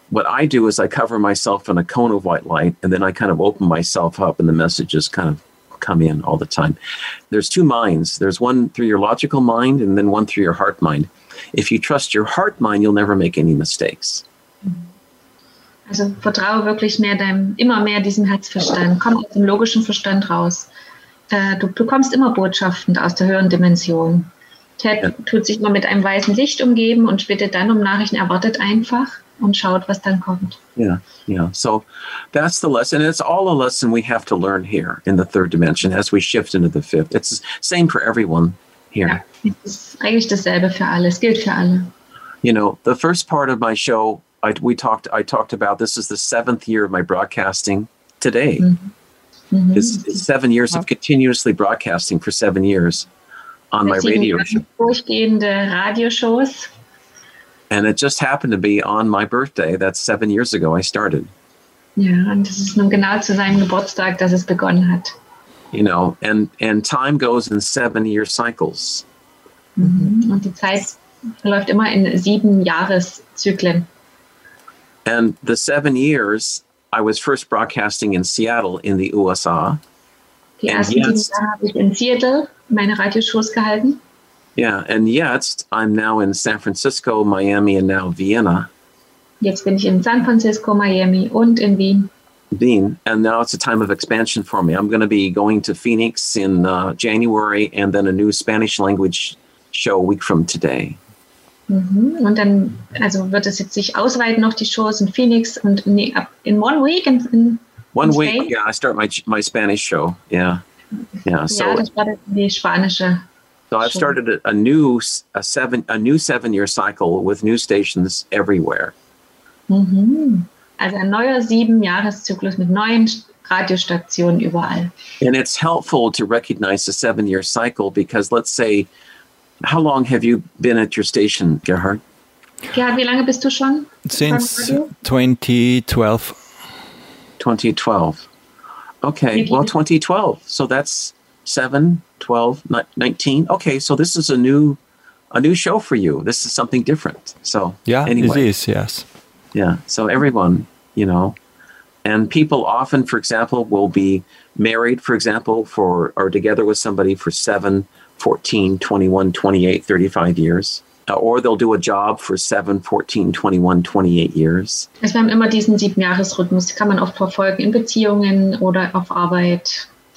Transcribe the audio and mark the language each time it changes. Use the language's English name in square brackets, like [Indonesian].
[English] What I do is I cover myself in a cone of white light, and then I kind of open myself up, and the messages kind of come in all the time. There's two minds. There's one through your logical mind, and then one through your heart mind. If you trust your heart mind, you'll never make any mistakes. [German] Also vertraue wirklich mehr deinem, immer mehr diesem Herzverstand. Komm aus dem logischen Verstand raus. Du bekommst immer Botschaften aus der höheren Dimension. Ted tut sich immer mit einem weißen Licht umgeben und bittet dann um Nachrichten. Erwartet einfach und schaut, was dann kommt. [English] So that's the lesson. It's all a lesson we have to learn here in the third dimension as we shift into the fifth. It's the same for everyone here. [German] Ja, es ist eigentlich dasselbe für alle. Es gilt für alle. [English] You know, the first part of my show, I talked about, this is the seventh year of my broadcasting today. Mm-hmm. It's 7 years of continuously broadcasting for 7 years on my radio show. [German] Durchgehende Radioshows. [English] And it just happened to be on my birthday. That's 7 years ago I started. [German] Ja, und es ist nun genau zu seinem Geburtstag, dass es begonnen hat. [English] You know, and time goes in 7 year cycles. [German] Mm-hmm. Und die Zeit läuft immer in 7 Jahreszyklen. [English] And the 7 years, I was first broadcasting in Seattle in the USA. [German] Die ersten 7 Jahre habe ich in Seattle meine Radioshows gehalten. [English] Yeah, and jetzt I'm now in San Francisco, Miami, and now Vienna. [German] Jetzt bin ich in San Francisco, Miami, und in Wien. [English] Wien, and now it's a time of expansion for me. I'm going to be going to Phoenix in January, and then a new Spanish language show a week from today. Mm-hmm. [German] Und dann, also wird es jetzt sich ausweiten noch die Shows in Phoenix und in [English] 1 week [German] in [English] One week, Spain. Yeah, I start my Spanish show. Yeah, yeah. [German] So das war die spanische. [English] So I've started a new seven-year cycle with new stations everywhere. Mm-hmm. [German] Also ein neuer 7-Jahres-Zyklus mit neuen Radiostationen überall. [English] And it's helpful to recognize the 7-year cycle because let's say, how long have you been at your station, Gerhard? [German] Gerhard, wie lange bist du schon? [English] Since 2012. Okay, well, 2012. So that's 7, 12, 19. Okay, so this is a new show for you. This is something different. So yeah, anyway. It is, yes. Yeah, so everyone, you know, and people often, for example, will be married, for example, or together with somebody for 7, 14, 21, 28, 35 years. Or they'll do a job for 7, 14, 21, 28 years. [German] Also wir haben immer diesen 7-Jahres-Rhythmus. Kann man oft verfolgen in Beziehungen oder auf Arbeit.